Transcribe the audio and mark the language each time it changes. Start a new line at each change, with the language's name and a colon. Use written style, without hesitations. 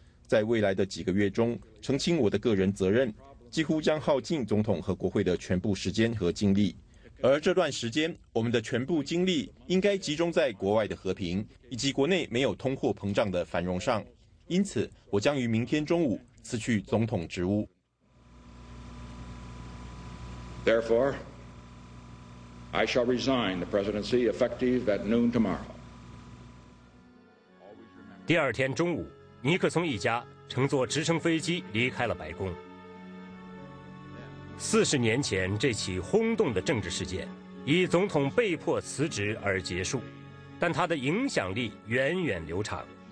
Chinese: 在未来的几个月中，澄清我的个人责任，几乎将耗尽总统和国会的全部时间和精力。而这段时间，我们的全部精力应该集中在国外的和平以及国内没有通货膨胀的繁荣上。因此，我将于明天中午辞去总统职务。
English: Therefore, I shall resign the presidency effective at noon tomorrow.
Chinese: 第二天中午，尼克松一家乘坐直升飞机离开了白宫。 40年前，这起轰动的政治事件以总统被迫辞职而结束，但它的影响力源远流长。